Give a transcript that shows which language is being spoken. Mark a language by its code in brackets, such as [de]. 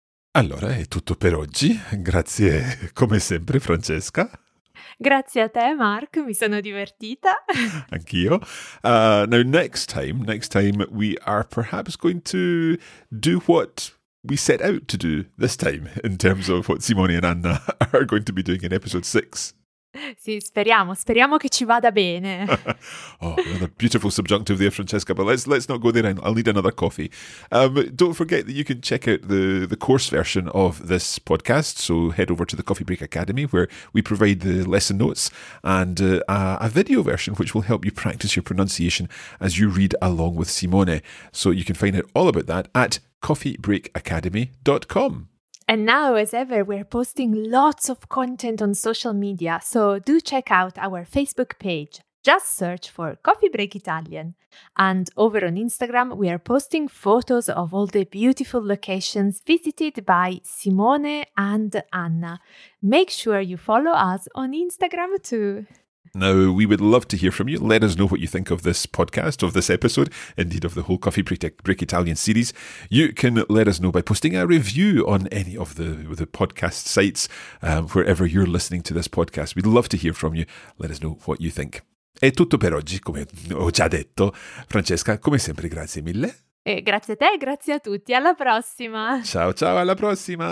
[it] Allora è tutto per oggi. Grazie come sempre, Francesca. Grazie a te, Mark. Mi sono divertita. Anch'io. [en] Now, next time we are perhaps going to do what we set out to do this time in terms of what Simone and Anna are going to be doing in episode 6. [it] Sì, speriamo che ci vada bene. [en] Oh, another beautiful subjunctive there, Francesca, but let's not go there. I'll need another coffee. Don't forget that you can check out the course version of this podcast, so head over to the Coffee Break Academy, where we provide the lesson notes and a video version, which will help you practice your pronunciation as you read along with Simone. So you can find out all about that at coffeebreakacademy.com. And now, as ever, we're posting lots of content on social media, so do check out our Facebook page. Just search for Coffee Break Italian. And over on Instagram, we are posting photos of all the beautiful locations visited by Simone and Anna. Make sure you follow us on Instagram too. Now, we would love to hear from you. Let us know what you think of this podcast, of this episode, indeed of the whole Coffee Break Italian series. You can let us know by posting a review on any of the podcast sites, wherever you're listening to this podcast. We'd love to hear from you. Let us know what you think. [it] È tutto per oggi, come ho già detto. Francesca, come sempre, grazie mille. Grazie a te e grazie a tutti. Alla prossima. Ciao, ciao, alla prossima.